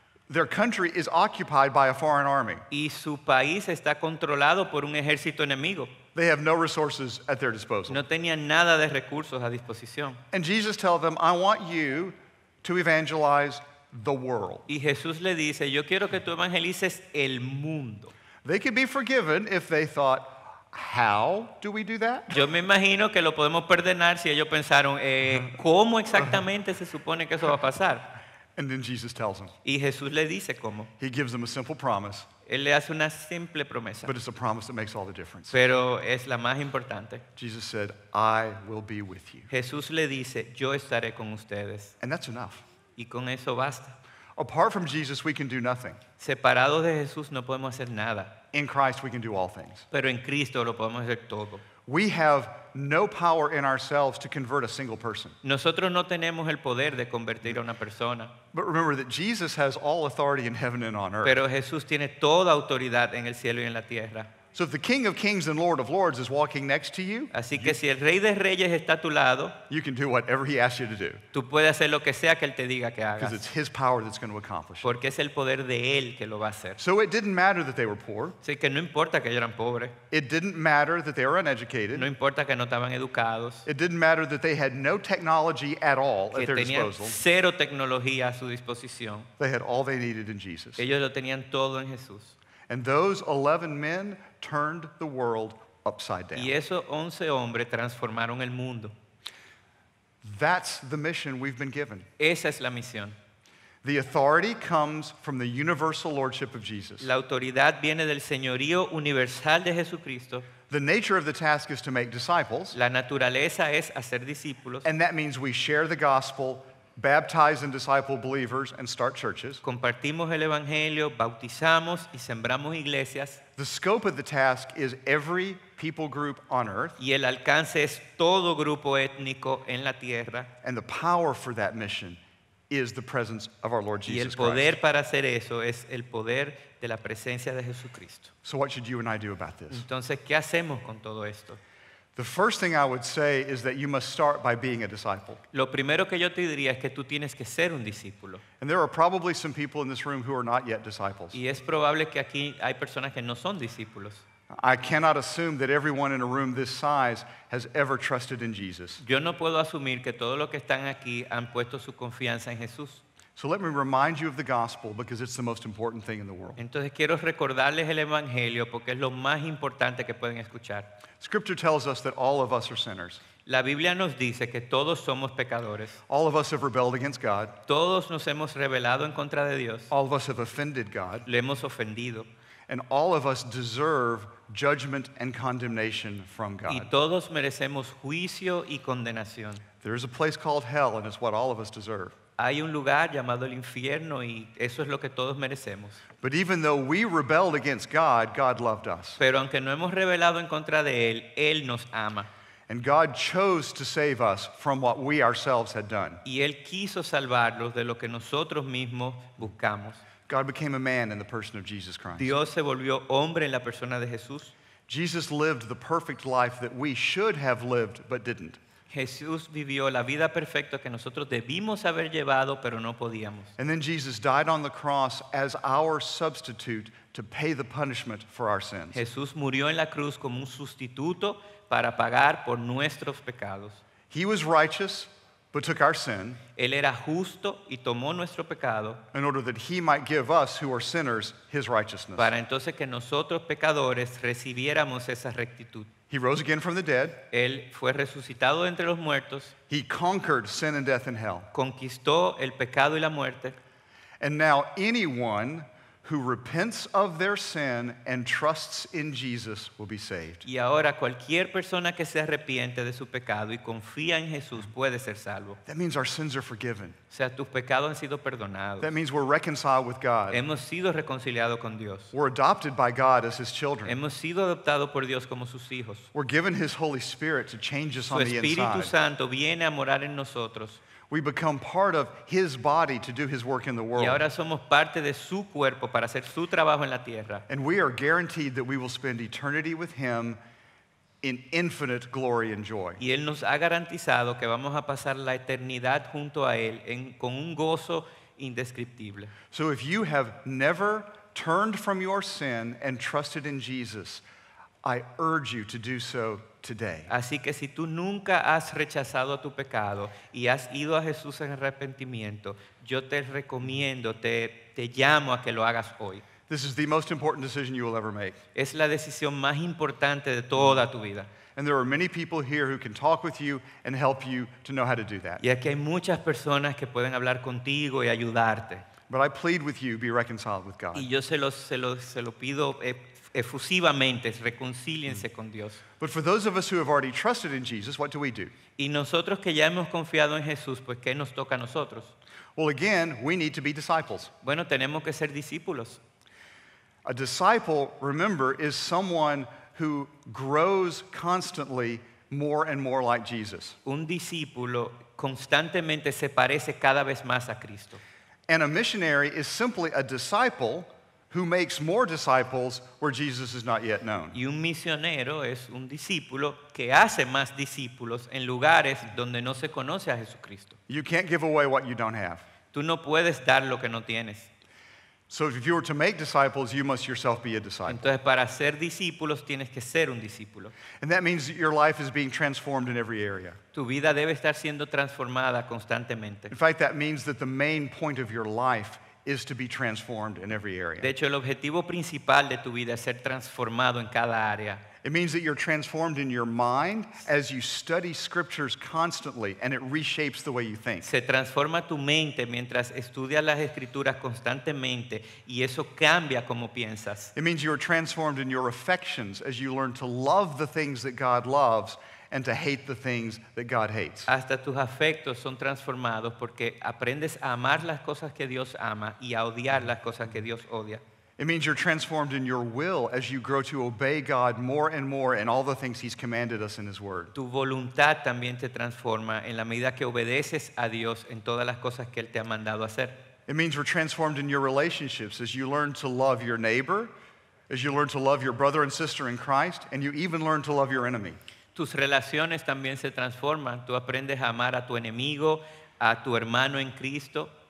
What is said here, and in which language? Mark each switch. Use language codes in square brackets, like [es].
[en] Their country is occupied by a foreign army. [es] Y su país está controlado por un ejército enemigo. [en] They have no resources at their disposal. [es] No tenían nada de recursos a disposición. [en] And Jesus tells them, I want you to evangelize the world. [es] Y Jesús le dice, yo quiero que tú evangelices el mundo. [en] They could be forgiven if they thought, how do we do that? [es] Yo me imagino que lo podemos perdonar si ellos pensaron, ¿cómo exactamente se supone que eso va a pasar? [en] And then Jesus tells them. [es] Y Jesús le dice cómo. [en] He gives them a simple promise. [es] Él le hace una simple promesa. [en] But it's a promise that makes all the difference. [es] Pero es la más importante. [en] Jesus said, I will be with you. [es] Jesús le dice, yo estaré con ustedes. [en] And that's enough. [es] Y con eso basta. [en] Apart from Jesus, we can do nothing. [es] Separados de Jesús, no podemos hacer nada. [en] In Christ, we can do all things. [es] Pero en Cristo lo podemos hacer todo. [en] We have no power in ourselves to convert a single person. [es] Nosotros no tenemos el poder de convertir a una persona. [en] But remember that Jesus has all authority in heaven and on earth. [es] Pero Jesús tiene toda autoridad en el cielo y en la tierra. [en] So if the King of Kings and Lord of Lords is walking next to you, [es] así que si el Rey de Reyes está a tu lado, [en] you can do whatever he asks you to do. [es] Tú puedes hacer lo que sea que él te diga que hagas. [en] Because it's his power that's going to accomplish it. [es] Porque es el poder de él que lo va a hacer. [en] So it didn't matter that they were poor. [es] Así que no importa que eran pobres. [en] It didn't matter that they were uneducated. [es] No importa que no estaban educados. [en] It didn't matter that they had no technology at all at their disposal. [es] Que tenían cero tecnología a su disposición. [en] They had all they needed in Jesus. [es] Ellos lo tenían todo en Jesús. [en] And those 11 men turned the world upside down. [es] Y esos 11 hombres transformaron el mundo. [en] That's the mission we've been given. [es] Esa es la misión. [en] The authority comes from the universal lordship of Jesus. [es] La autoridad viene del señorío universal de Jesucristo. [en] The nature of the task is to make disciples. [es] La naturaleza es hacer discípulos. [en] And that means we share the gospel, baptize and disciple believers, and start churches. [es] Compartimos el evangelio, bautizamos y sembramos iglesias. [en] The scope of the task is every people group on earth. [es] Y el alcance es todo grupo étnico en la tierra. [en] And the power for that mission is the presence of our Lord Jesus Christ. [es] Y el poder para hacer eso es el poder de la presencia de Jesucristo. [en] So what should you and I do about this? [es] Entonces, ¿qué hacemos con todo esto? [en] The first thing I would say is that you must start by being a disciple. [es] Lo primero que yo te diría es que tú tienes que ser un discípulo. [en] And there are probably some people in this room who are not yet disciples. [es] Y es probable que aquí hay personas que no son discípulos. [en] I cannot assume that everyone in a room this size has ever trusted in Jesus. [es] Yo no puedo asumir que todos los que están aquí han puesto su confianza en Jesús. [en] So let me remind you of the gospel because it's the most important thing in the world. [es] Entonces quiero recordarles el evangelio porque es lo más importante que pueden escuchar. [en] Scripture tells us that all of us are sinners. [es] La Biblia nos dice que todos somos pecadores. [en] All of us have rebelled against God. [es] Todos nos hemos rebelado en contra de Dios. [en] All of us have offended God. [es] Le hemos ofendido. [en] And all of us deserve judgment and condemnation from God. [es] Y todos merecemos juicio y condenación. [en] There is a place called hell, and it's what all of us deserve. [es] Hay un lugar llamado el infierno y eso es lo que todos merecemos. [en] But even though we rebelled against God, God loved us. [es] Pero aunque no hemos rebelado en contra de él, él nos ama. [en] And God chose to save us from what we ourselves had done. [es] Y él quiso salvarnos de lo que nosotros mismos buscamos. [en] God became a man in the person of Jesus Christ. [es] Dios se volvió hombre en la persona de Jesús. [en] Jesus lived the perfect life that we should have lived but didn't. [es] Jesús vivió la vida perfecta que nosotros debimos haber llevado, pero no podíamos. [en] And then Jesus died on the cross as our substitute to pay the punishment for our sins. [es] Jesús murió en la cruz como un sustituto para pagar por nuestros pecados. [en] He was righteous, but took our sin. [es] Él era justo y tomó nuestro pecado. [en] In order that he might give us, who are sinners, his righteousness. [es] Para entonces que nosotros pecadores recibiéramos esa rectitud. [en] He rose again from the dead. [es] Él fue resucitado entre los muertos. [en] He conquered sin and death and hell. [es] Conquistó el pecado y la muerte. [en] And now anyone who repents of their sin and trusts in Jesus will be saved. [es] Y ahora cualquier persona que se arrepiente de su pecado y confía en Jesús puede ser salvo. [en] That means our sins are forgiven. [es] O sea, tus pecados han sido perdonados. [en] That means we're reconciled with God. [es] Hemos sido reconciliados con Dios. [en] We're adopted by God as His children. [es] Hemos sido adoptados por Dios como sus hijos. [en] We're given His Holy Spirit to change us [es] su [en] on the inside. [es] Su Espíritu Santo viene a morar en nosotros. [en] We become part of His body to do His work in the world. [es] Y ahora somos parte de su cuerpo para hacer su trabajo en la tierra. [en] And we are guaranteed that we will spend eternity with Him in infinite glory and joy. [es] Y Él nos ha garantizado que vamos a pasar la eternidad junto a Él en, con un gozo indescriptible. [en] So if you have never turned from your sin and trusted in Jesus, I urge you to do so today. [es] Así que si tú nunca has rechazado tu pecado y has ido a Jesús en arrepentimiento, yo te recomiendo, te llamo a que lo hagas hoy. [en] This is the most important decision you will ever make. [es] Es la decisión más importante de toda tu vida. [en] And there are many people here who can talk with you and help you to know how to do that. [es] Y aquí hay muchas personas que pueden hablar contigo y ayudarte. [en] But I plead with you, be reconciled with God. [es] Y yo se lo pido efusivamente, reconcíliense con Dios. [en] But for those of us who have already trusted in Jesus, what do we do? [es] Y nosotros que ya hemos confiado en Jesús, pues ¿qué nos toca a nosotros? [en] Well, again, we need to be disciples. [es] Bueno, tenemos que ser discípulos. [en] A disciple, remember, is someone who grows constantly more and more like Jesus. [es] Un discípulo constantemente se parece cada vez más a Cristo. [en] And a missionary is simply a disciple who makes more disciples where Jesus is not yet known. [es] Y un misionero es un discípulo que hace más discípulos en lugares donde no se conoce a Jesucristo. [en] You can't give away what you don't have. [es] Tú no puedes dar lo que no tienes. [en] So if you were to make disciples, you must yourself be a disciple. [es] Entonces, para ser discípulos, tienes que ser un discípulo. [en] And that means that your life is being transformed in every area. [es] Tu vida debe estar siendo transformada constantemente. [en] In fact, that means that the main point of your life is to be transformed in every area. [es] De hecho, el objetivo principal de tu vida es ser transformado en cada área. [en] It means that you're transformed in your mind as you study scriptures constantly and it reshapes the way you think. [es] Se transforma tu mente mientras estudias las escrituras constantemente y eso cambia cómo piensas. [en] It means you're transformed in your affections as you learn to love the things that God loves and to hate the things that God hates. [es] Hasta tus afectos son transformados porque aprendes a amar las cosas que Dios ama y a odiar las cosas que Dios odia. [en] It means you're transformed in your will as you grow to obey God more and more in all the things He's commanded us in His Word. [es] Tu voluntad también te transforma en la medida que obedeces a Dios en todas las cosas que Él te ha mandado hacer. [en] It means we're transformed in your relationships as you learn to love your neighbor, as you learn to love your brother and sister in Christ, and you even learn to love your enemy. [es] Tus relaciones también se transforman. Tú aprendes a amar a tu enemigo, a tu hermano en Cristo.